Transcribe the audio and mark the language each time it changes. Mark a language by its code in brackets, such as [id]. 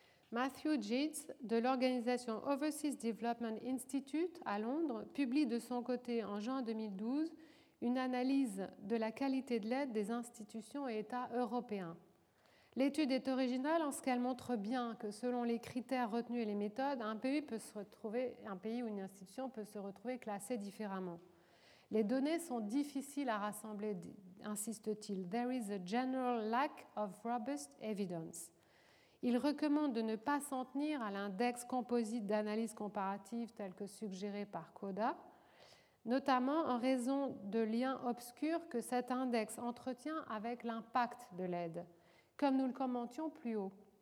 [fr] Matthew Jeats, de l'organisation Overseas Development Institute à Londres, publie de son côté en juin 2012 une analyse de la qualité de l'aide des institutions et États européens. L'étude est originale en ce qu'elle montre bien que selon les critères retenus et les méthodes, un pays ou une institution peut se retrouver classé différemment. Les données sont difficiles à rassembler, insiste-t-il. [en] There is a general lack of robust evidence. [fr] Il recommande de ne pas s'en tenir à l'index composite d'analyse comparative tel que suggéré par Quoda, notamment en raison de liens obscurs que cet index entretient avec l'impact de l'aide, comme nous le commentions plus haut.